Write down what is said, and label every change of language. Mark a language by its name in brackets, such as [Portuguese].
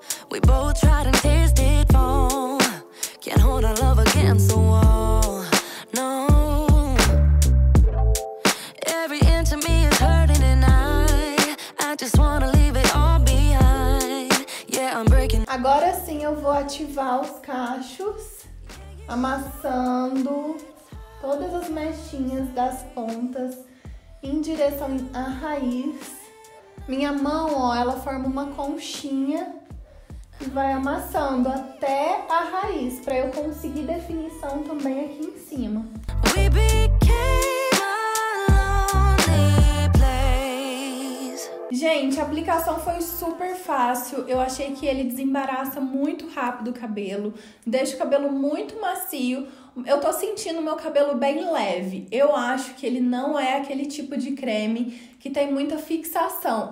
[English] We both tried and tasted fall. Can't hold our love against the wall. No. Every inch of me is hurting and I just wanna leave it all behind. Yeah, I'm breaking. [Portuguese] Agora sim eu vou ativar os cachos. Amassando todas as mechinhas das pontas em direção à raiz. Minha mão, ó, ela forma uma conchinha e vai amassando até a raiz, para eu conseguir definição também aqui em cima. [English] We became a lonely place. [Portuguese] Gente, a aplicação foi super fácil. Eu achei que ele desembaraça muito rápido o cabelo. Deixa o cabelo muito macio. Eu tô sentindo meu cabelo bem leve. Eu acho que ele não é aquele tipo de creme que tem muita fixação.